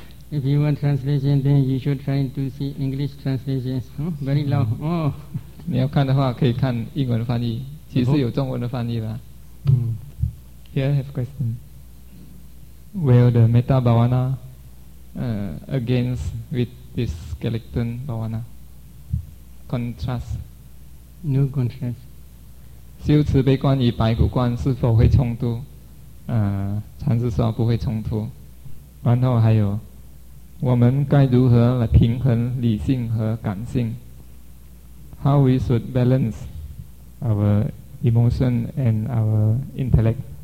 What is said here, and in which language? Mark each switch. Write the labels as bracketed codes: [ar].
[en] If you want translation, then you should try to see English translations. Very long. [zh] 你要看的话，可以看英文翻译，其实有中文的翻译啦。 [en] Here I have a question. Will the Metta Bhavana against with this? Skeleton Bhavana contrast. No contrast. [zh] 修慈悲观与白骨观是否会冲突？禅师说不会冲突。然后还有，我们该如何来平衡理性和感性？ [en] How we should balance our emotion and our intellect?